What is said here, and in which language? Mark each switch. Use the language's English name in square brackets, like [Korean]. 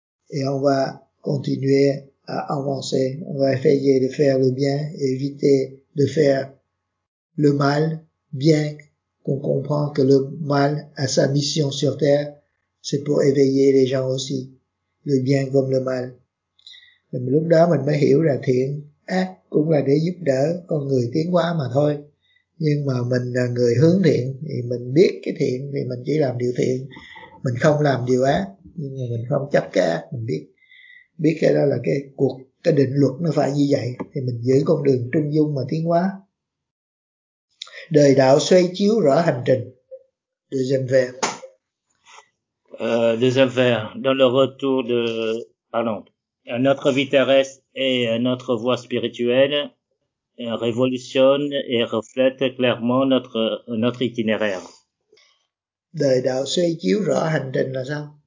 [French] Et on va continuer à avancer. On va essayer de faire le bien, éviter de faire le mal, bien qu'on comprend que le mal a sa mission sur Terre. C'est pour éveiller les gens aussi, le bien comme le mal. [Vietnamese] Lúc đó mình mới hiểu là thiện ác cũng là để giúp đỡ con người tiến hóa mà thôi. Nhưng mà mình là người hướng thiện thì mình biết cái thiện thì mình chỉ làm điều thiện, mình không làm điều ác, nhưng mà mình không chấp cái ác, mình biết biết cái đó là cái cuộc, cái định luật nó phải như vậy, thì mình giữ con đường trung dung mà tiến hóa. Đời đạo xoay chiếu rõ hành trình. [French] Deuxième vers. Deuxième vers. Dans le retour de, pardon, notre vie terrestre et notre voie spirituelle révolutionne et reflète clairement notre itinéraire. [Vietnamese] Đời đạo xoay chiếu rõ hành trình là sao?